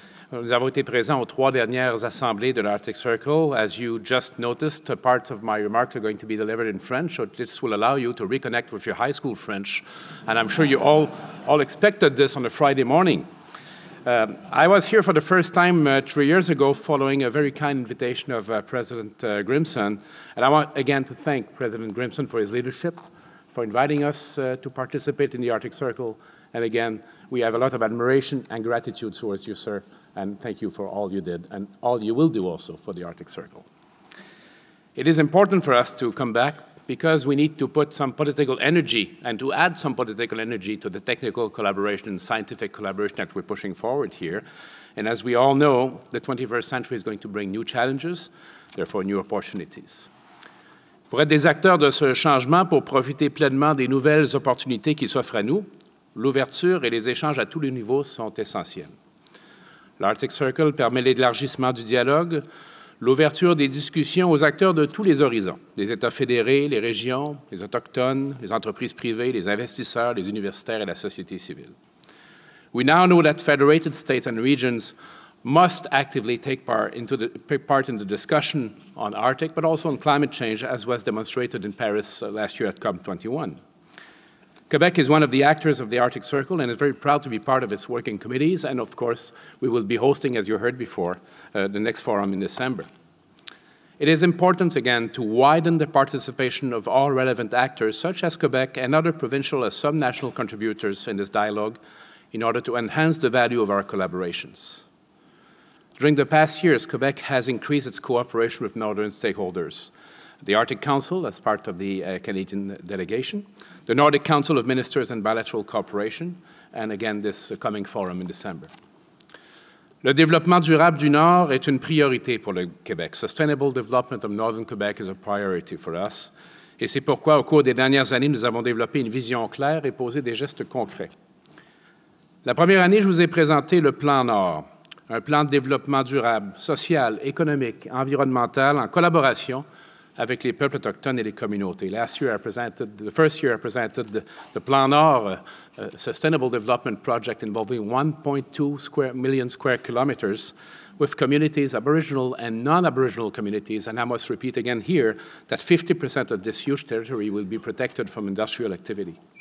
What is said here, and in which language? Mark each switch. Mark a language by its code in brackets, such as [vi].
[fr] Nous avons été présents aux trois dernières assemblées de l'Arctic Circle. [en] As you just noticed, parts of my remarks are going to be delivered in French. So this will allow you to reconnect with your high school French. And I'm sure you all expected this on a Friday morning. I was here for the first time 3 years ago following a very kind invitation of President Grimson. And I want again to thank President Grimson for his leadership, for inviting us to participate in the Arctic Circle. And again, we have a lot of admiration and gratitude towards you, sir. And thank you for all you did and all you will do also for the Arctic Circle. It is important for us to come back because we need to put some political energy and to add some political energy to the technical collaboration and scientific collaboration that we're pushing forward here. And as we all know, the 21st century is going to bring new challenges, therefore new opportunities. [fr] Pour être des acteurs de ce changement, pour profiter pleinement des nouvelles opportunités qui s'offrent à nous, l'ouverture et les échanges à tous les niveaux sont essentiels. L'Arctic Circle permet l'élargissement du dialogue, l'ouverture des discussions aux acteurs de tous les horizons, les États fédérés, les régions, les autochtones, les entreprises privées, les investisseurs, les universitaires et la société civile. [en] We now know that federated states and regions must actively take part in the discussion on Arctic, but also on climate change, as was demonstrated in Paris last year at COP21. Quebec is one of the actors of the Arctic Circle and is very proud to be part of its working committees. And of course, we will be hosting, as you heard before, the next forum in December. It is important, again, to widen the participation of all relevant actors, such as Quebec and other provincial and subnational contributors in this dialogue, in order to enhance the value of our collaborations. During the past years, Quebec has increased its cooperation with Northern stakeholders. The Arctic Council, as part of the Canadian delegation, the Nordic Council of Ministers and Bilateral Cooperation, and again, this coming forum in December. [fr] Le développement durable du Nord est une priorité pour le Québec. [en] Sustainable development of Northern Quebec is a priority for us. [fr] Et c'est pourquoi, au cours des dernières années, nous avons développé une vision claire et posé des gestes concrets. La première année, je vous ai présenté le plan Nord, un plan de développement durable, social, économique, environnemental, en collaboration avec les peuples autochtones et les communautés. [en] The first year I presented the Plan Nord, Sustainable Development Project involving 1.2 million square kilometers with communities, Aboriginal and non-Aboriginal communities. And I must repeat again here that 50% of this huge territory will be protected from industrial activity.